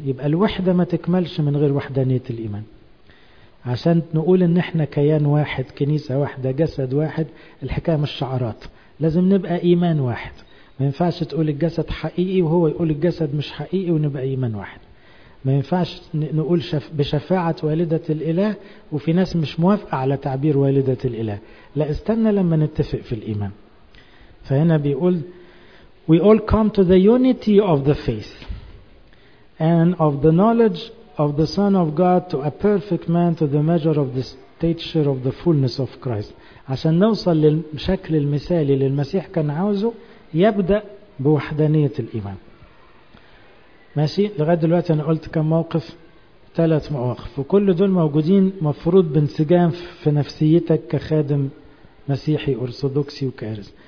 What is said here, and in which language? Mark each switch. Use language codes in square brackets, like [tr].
[ar] يبقى الوحدة ما تكملش من غير وحدانية الإيمان. عشان نقول إن احنا كيان واحد، كنيسة واحدة، جسد واحد، الحكاية مش شعارات، لازم نبقى إيمان واحد. ما ينفعش تقول الجسد حقيقي وهو يقول الجسد مش حقيقي ونبقى إيمان واحد. ما ينفعش نقول بشفاعة والدة الإله وفي ناس مش موافقة على تعبير والدة الإله. لا، استنى لما نتفق في الإيمان. فهنا بيقول [en] We all come to the unity of the faith and of the knowledge of the Son of God to a perfect man to the measure of the stature of the fullness of Christ. [ar] عشان نوصل للشكل المثالي للمسيح كان عاوزه يبدأ بوحدانية الإيمان. ماشي، لغاية دلوقتي أنا قلت كم موقف، ثلاث مواقف، وكل دول موجودين مفروض بانسجام في نفسيتك كخادم مسيحي أرثوذكسي وكارز.